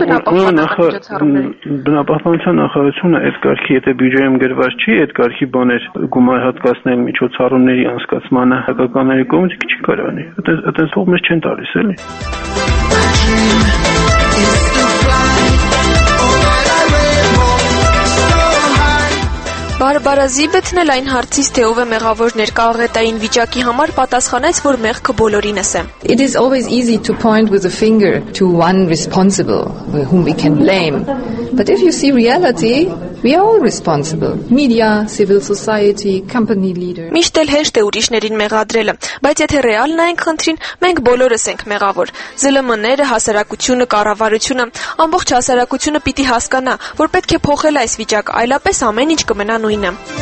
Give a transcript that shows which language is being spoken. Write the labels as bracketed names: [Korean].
[Armenian] բնապահպանական միջոցառումների։ Եթե բյուջեում գրված չի այդ կարգի բաներ գումար հատկացնել միջոցառումների անցկացմանը, հակակամերի կողմից քիչ կարանի, այտենց ող մեզ չեն տալիս էլի։ Բարբարա Զիբեթն էլ այն հարցից, թե ով է մեղավոր ներկայացնային վիճակի համար, պատասխանեց, որ մեղքը բոլորինս է։ [English] It is always easy to point with a finger to one responsible whom we can blame. But if you see reality, we are all responsible. Media, civil society, company leader. [Armenian] Միշտ էլ հեշտ է ուրիշներին մեղադրելը, բայց եթե ռեալն այն քննին, մենք բոլորս ենք մեղավոր։ ԶԼՄ-ները, հասարակությունը, կառավարությունը, ամբողջ հասարակությունը պիտի հասկանա, որ պետք է փոխել այս վիճակը, այլապես ամեն ինչ կմնա նույնը։